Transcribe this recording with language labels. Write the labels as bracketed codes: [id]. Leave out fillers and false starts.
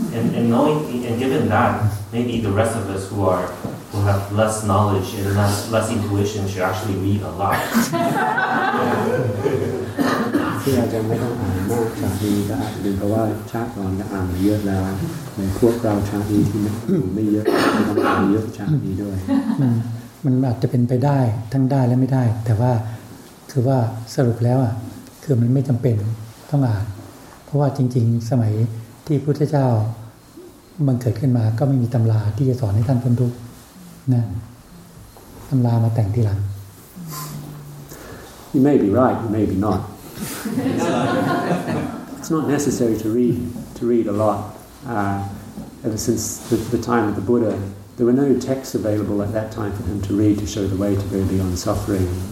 [en] And knowing and given that, maybe the rest of us who have less knowledge and less intuition should actually read a lot. [th] มันอาจจะเป็นไปได้ทั้งได้และไม่ได้แต่ว่าคือว่าสรุปแล้วอ่ะคือมันไม่จำเป็นต้องอ่านเพราะว่าจริงๆสมัยที่พุทธเจ้ามันเกิดขึ้นมาก็ไม่มีตำราที่จะสอนให้ท่านพ้นทุกข์นะตำรามาแต่งทีหลัง [en] You may be right, you may be notIt's not necessary to read a lot. Ever since the time of the Buddha, there were no texts available at that time for him to read to show the way to go beyond suffering.